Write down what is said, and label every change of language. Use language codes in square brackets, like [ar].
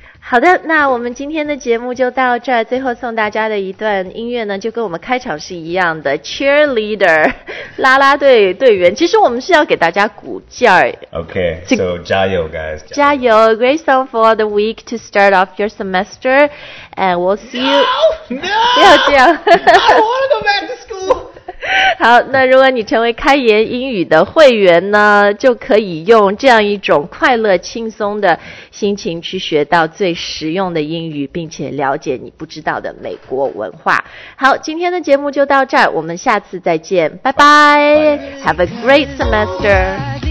[zh] 好的，那我们今天的节目就到这儿。最后送大家的一段音乐呢，就跟我们开场是一样的 ，cheerleader， 啦啦队队员。其实我们是要给大家鼓劲儿。 [en] Okay, so [zh] 加油 [en] guys. [zh] 加油 [en] ，great song for the week to start off your semester, and we'll see you. No, [zh] 不要这样。 [en] I don't want to go back to school. [zh] 好，那如果你成为开言英语的会员呢，就可以用这样一种快乐轻松的心情去学到最实用的英语，并且了解你不知道的美国文化。好，今天的节目就到这儿，我们下次再见，拜拜。 [en] Have a great semester.